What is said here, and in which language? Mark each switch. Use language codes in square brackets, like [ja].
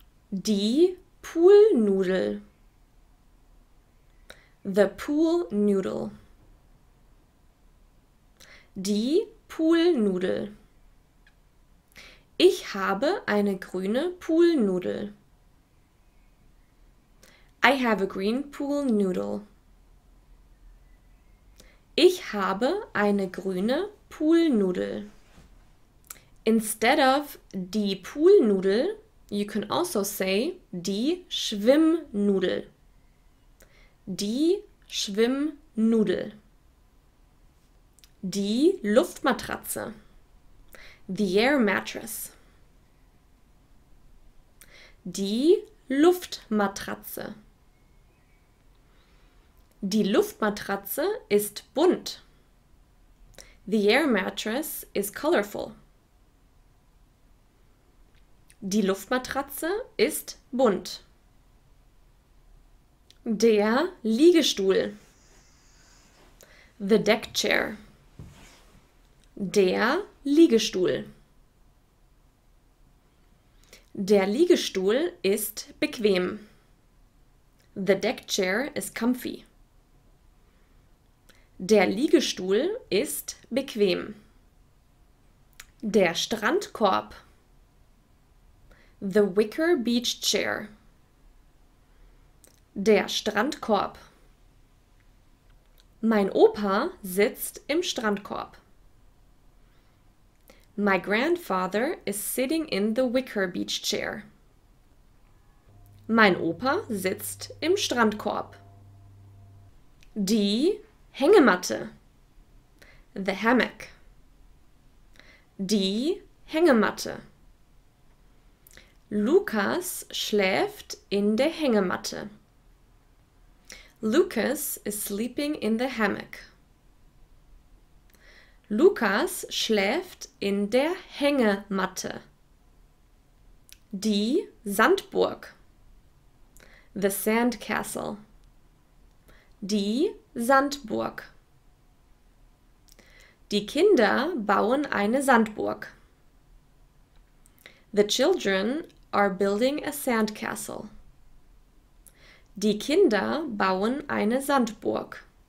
[de] Die Poolnudel. [en] The pool noodle. [de] Die Poolnudel. Ich habe eine grüne Poolnudel. [en] I have a green pool noodle. [de] Ich habe eine grüne Poolnudel. [en] Instead of die Poolnudel, you can also say die Schwimmnudel. [de] Die Schwimmnudel. Die Luftmatratze. [en] The air mattress. [de] Die Luftmatratze. Die Luftmatratze ist bunt. [en] The air mattress is colorful. [de] Die Luftmatratze ist bunt. Der Liegestuhl. [en] The deck chair. [de] Der Liegestuhl. Der Liegestuhl ist bequem. [en] The deck chair is comfy. [de] Der Liegestuhl ist bequem. Der Strandkorb. [en] The wicker beach chair. [de] Der Strandkorb. Mein Opa sitzt im Strandkorb. [en] My grandfather is sitting in the wicker beach chair. [de] Mein Opa sitzt im Strandkorb. Die Hängematte. [en] The hammock. [de] Die Hängematte. Lukas schläft in der Hängematte. [en] Lukas is sleeping in the hammock. [de] Lukas schläft in der Hängematte. Die Sandburg. [en] The sand castle. [de] Die Sandburg. Die Kinder bauen eine Sandburg. [en] The children are building a sand castle. [de] Die Kinder bauen eine Sandburg.